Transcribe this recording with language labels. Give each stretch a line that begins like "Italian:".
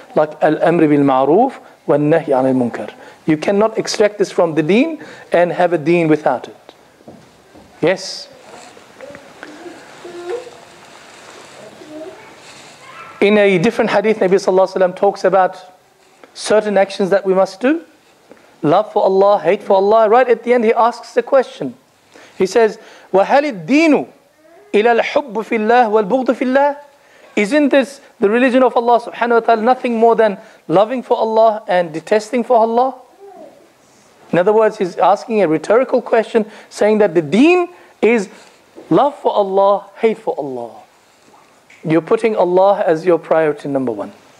English: Like al-amri bil-ma'roof wal-nahi anil munkar. You cannot extract this from the deen and have a deen without it. Yes. In a different hadith, Nabi sallallahu alayhi wa sallam talks about certain actions that we must do. Love for Allah, hate for Allah. Right at the end, he asks the question. He says,
Arabic: وَهَلِ الدِّينُ إِلَى الْحُبُّ فِي اللَّهِ وَالْبُغْضُ فِي اللَّهِ.
English: Isn't this the religion of Allah subhanahu wa ta'ala nothing more than loving for Allah and detesting for Allah? In other words, he's asking a rhetorical question, saying that the deen is love for Allah, hate for Allah. You're putting Allah as your priority number one.